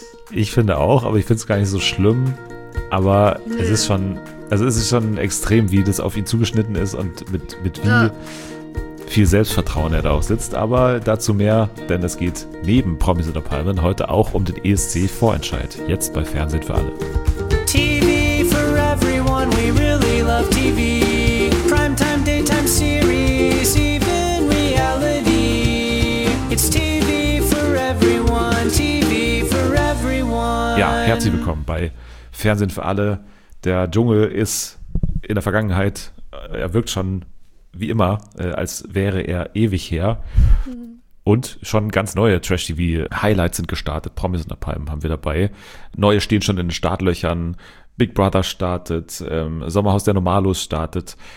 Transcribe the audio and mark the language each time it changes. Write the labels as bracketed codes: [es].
[de] Ich finde auch, aber ich finde es gar nicht so schlimm. Aber nö. Es ist schon, also es ist schon extrem, wie das auf ihn zugeschnitten ist und mit wie viel Selbstvertrauen er da auch sitzt. Aber dazu mehr, denn es geht neben Promis unter Palmen heute auch um den ESC-Vorentscheid. Jetzt bei Fernsehen für alle. [en] TV for everyone, we really love TV. Primetime, daytime series, even reality. It's TV for everyone, TV for everyone. [de] Ja, herzlich willkommen bei Fernsehen für alle. Der Dschungel ist in der Vergangenheit, er wirkt schon wie immer, als wäre er ewig her. Und schon ganz neue Trash-TV-Highlights sind gestartet. Promis unter Palmen haben wir dabei. Neue stehen schon in den Startlöchern. Big Brother startet, Sommerhaus der Normalos startet.